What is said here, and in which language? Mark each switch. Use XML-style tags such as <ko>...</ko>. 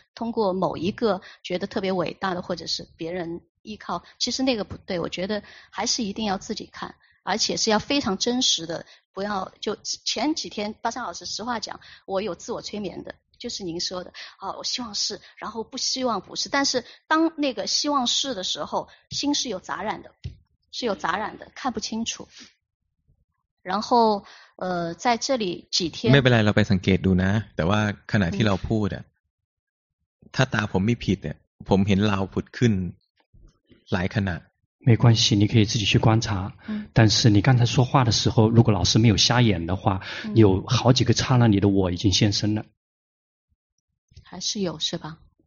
<zh>通过某一个觉得特别伟大的或者是别人依靠其实那个不对我觉得还是一定要自己看而且是要非常真实的不要就前几天巴山老师实话讲我有自我催眠的就是您说的哦，我希望是然后不希望不是但是当那个希望是的时候心是有杂染的是有杂染的看不清楚然后在这里几天</zh> <th>ไม่เป็นไรเราไปสังเกตดูนะแต่ว่าขณะที่เราพูดอ่ะถ้าตาผมไม่ผิดเนี่ยผมเห็นเราผุดขึ้นหลายขณะ</th> <zh>没关系你可以自己去观察但是你刚才说话的时候如果老师没有瞎眼的话有好几个刹那里的我已经现身了还是有是吧？</zh>